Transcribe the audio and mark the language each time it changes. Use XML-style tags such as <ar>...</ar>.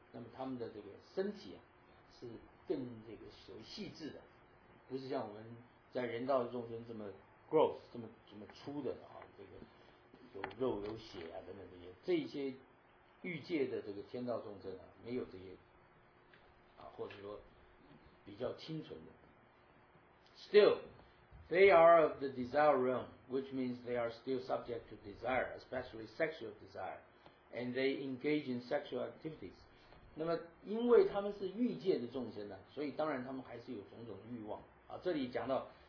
<zh>那么他们的这个身体啊是更这个所谓细致的，不是像我们在人道众生这么gross 这么粗的啊，这个有肉有血啊等等，这些欲界的这个天道众生啊，没有这些啊，或者说比较清纯的。</zh> <en>Still, they are of the desire realm, which means they are still subject to desire, especially sexual desire, and they engage in sexual activities.</en> <zh>那么因为他们是欲界的众生呢，所以当然他们还是有种种欲望啊。这里讲到。</zh>